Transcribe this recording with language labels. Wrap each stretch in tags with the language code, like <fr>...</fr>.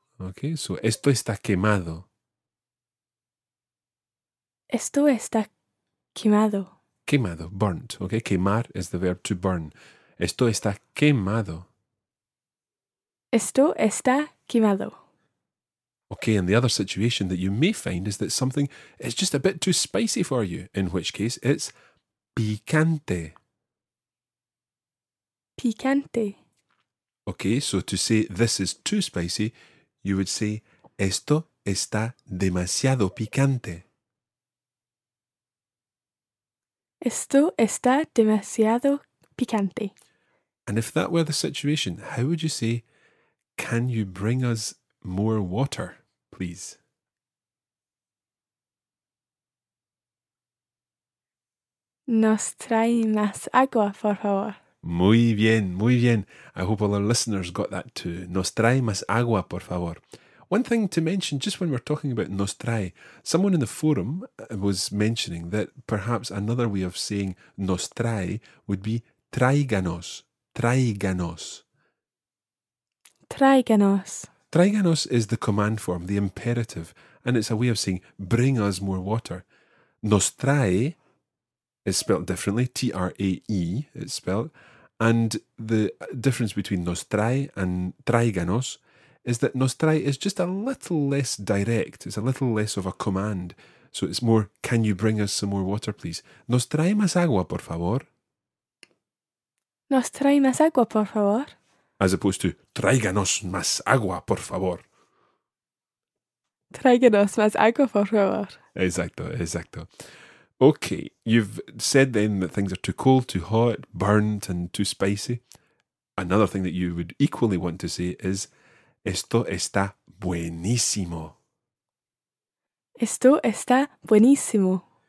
<en>Okay, so</en> <es>esto está quemado. Esto está quemado.</es> <en>Quemado, burnt. Okay, quemar is the verb to burn.</en> <es>Esto está quemado. Esto está quemado.</es> <en>Okay, and the other situation that you may find is that something is just a bit too spicy for you, in which case it's picante.</en> <es>Picante.</es> <en>Okay, so to say this is too spicy, you would say</en> <es>esto está demasiado picante. Esto está demasiado picante.</es> <en>And if that were the situation, how would you say, can you bring us more water, please?</en> <es>Nos trae más agua, por favor. Muy bien, muy bien.</es> <en>I hope all our listeners got that too.</en> <es>Nos trae más agua, por favor.</es> <en>One thing to mention, just when we're talking about nos trae, someone in the forum was mentioning that perhaps another way of saying nos trae would be tráiganos, tráiganos.</en> <es>Tráiganos.</es> <en>Tráiganos is the command form, the imperative, and it's a way of saying bring us more water. Nos trae is spelled differently, T-R-A-E it's spelled, and the difference between nos trae and tráiganos is that nos trae is just a little less direct. It's a little less of a command. So it's more, can you bring us some more water, please?</en> <es>Nos trae más agua, por favor. Nos trae más agua, por favor.</es> <en>As opposed to,</en> <es>tráiganos más agua, por favor. Tráiganos más agua, por favor. Exacto, exacto.</es> <en>Okay, you've said then that things are too cold, too hot, burnt and too spicy. Another thing that you would equally want to say is,</en> <es>esto está buenísimo. Esto está buenísimo.</es>